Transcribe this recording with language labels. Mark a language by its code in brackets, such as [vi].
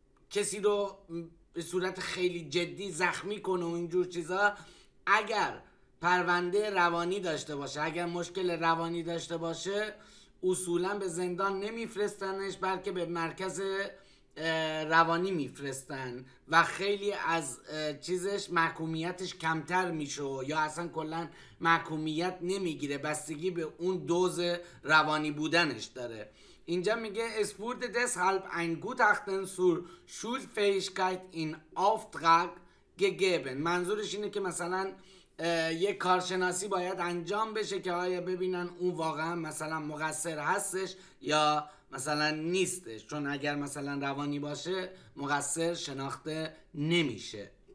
[fa] کسی رو به صورت خیلی جدی زخمی کنه و اینجور چیزا، اگر پرونده روانی داشته باشه، اگر مشکل روانی داشته باشه، اصولا به زندان نمیفرستنش بلکه به مرکز روانی میفرستن و خیلی از چیزش محکومیتش کمتر میشه یا اصلا کلا محکومیت نمیگیره، بستگی به اون دوز روانی بودنش داره. اینجا میگه [de] es wurde deshalb ein Gutachten zur Schuldfähigkeit in Auftrag gegeben. [fa] منظورش اینه که مثلا یه کارشناسی باید انجام بشه که آیا ببینن اون واقعا مثلا مقصر هستش یا مثلا نیستش، چون اگر مثلا روانی باشه مقصر شناخته نمیشه.